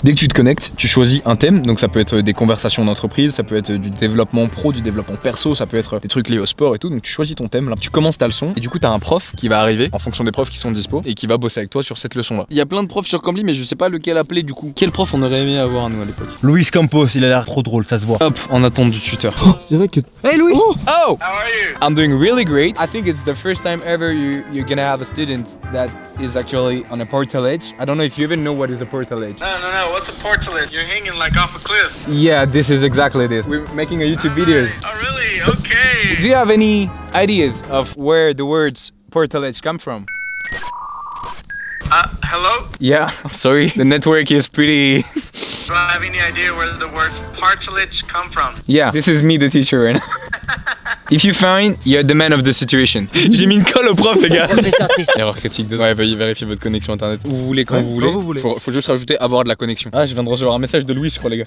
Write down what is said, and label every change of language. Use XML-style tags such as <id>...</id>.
<fr>Dès que tu te connectes, tu choisis un thème, donc ça peut être des conversations d'entreprise, ça peut être du développement pro, du développement perso, ça peut être des trucs liés au sport et tout, donc tu choisis ton thème là. Tu commences ta leçon et du coup t'as un prof qui va arriver en fonction des profs qui sont dispo et qui va bosser avec toi sur cette leçon là. Il y a plein de profs sur Cambly mais je sais pas lequel appeler du coup. Quel prof on aurait aimé avoir à nous à l'époque? Luis Campos, il a l'air trop drôle, ça se voit. Hop, en attente du tuteur. Oh, c'est vrai que...</fr> <en>Hey Luis. Oh, how are you? I'm doing really great. I think it's the first time ever you're gonna have a student that is actually on a portaledge. I don't know if you even know what is a portaledge. No, what's a portaledge? You're hanging like off a cliff. Yeah, this is exactly this. We're making a YouTube video. Oh really? So, okay. Do you have any ideas of where the words portaledge come from? Hello? Yeah, sorry. The network is pretty... Do I have any idea where the words portaledge come from? Yeah, this is me, the teacher, right now. If you find, you're the man of the situation.</en> <fr>J'ai mis une colle au prof, les gars. Erreur critique de... Ouais, veuillez vérifier votre connexion internet. Où vous voulez, quand ouais, vous voulez. Quand vous voulez. Faut juste rajouter avoir de la connexion. Ah, je viens de recevoir un message de Louis, je crois, les gars.</fr>